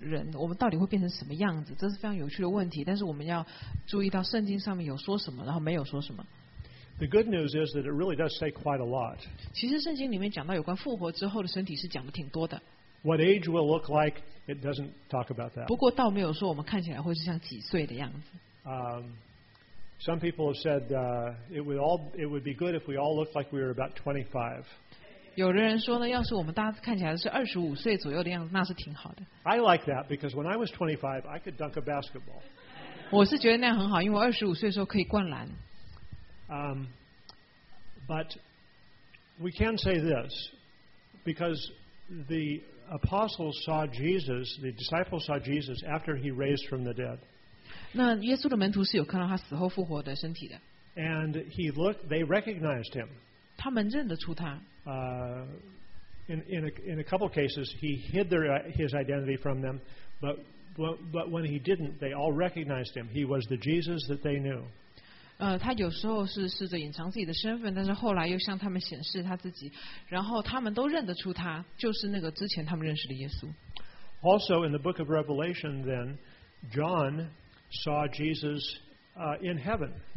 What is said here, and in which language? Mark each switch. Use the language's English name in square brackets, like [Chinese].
[Chinese] 所以这个有关死后的人，我们到底会变成什么样子？这是非常有趣的问题， 但是我们要注意到圣经上面有说什么，然后没有说什么。 [English] The good news is that it really does say quite a lot. [Chinese] 其实圣经里面讲到有关复活之后的身体是讲的挺多的。 [English] What age will look like, it doesn't talk about that. [Chinese] 不过倒没有说我们看起来会是像几岁的样子。 [English] Some people have said it would be good if we all looked like we were about 25. [Chinese] 有的人说呢，要是我们大家看起来是25岁左右的样子，那是挺好的。 [English] I like that because when I was 25, I could dunk a basketball. [Chinese] 我是觉得那样很好，因为25岁的时候可以灌篮。 [English] But we can say this because the apostles saw Jesus, the disciples saw Jesus after he raised from the dead. [Chinese] 那耶稣的门徒是有看到他死后复活的身体的。 [English] And he looked, they recognized him. [Chinese] 他们认得出他。 [English] In a couple cases, he hid his identity from them, but when he didn't, they all recognized him. He was the Jesus that they knew. [Chinese] 他有时候是试着隐藏自己的身份，但是后来又向他们显示他自己，然后他们都认得出他，就是那个之前他们认识的耶稣。 [English] Also, in the book of Revelation, then, John saw Jesus in heaven.